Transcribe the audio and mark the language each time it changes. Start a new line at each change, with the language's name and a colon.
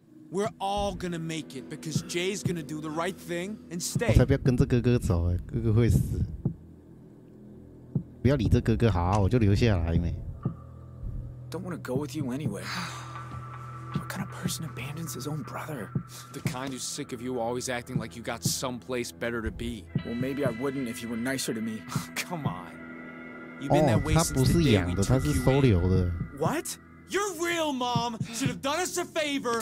English: We're all gonna make it because Jay's gonna do the right thing and stay.
Chinese: 才不要跟这哥哥走欸，哥哥会死。不要理这哥哥，好，我就留下来没。
English: Don't wanna go with you anyway. What kind of person abandons his own brother? The kind who's sick of you always acting like you got someplace better to be. Well, maybe I wouldn't if you were nicer to me. Come on. You've been that way since the day we took you in.
Chinese: 他是收留的。
English: What? Your real mom should have done us a favor.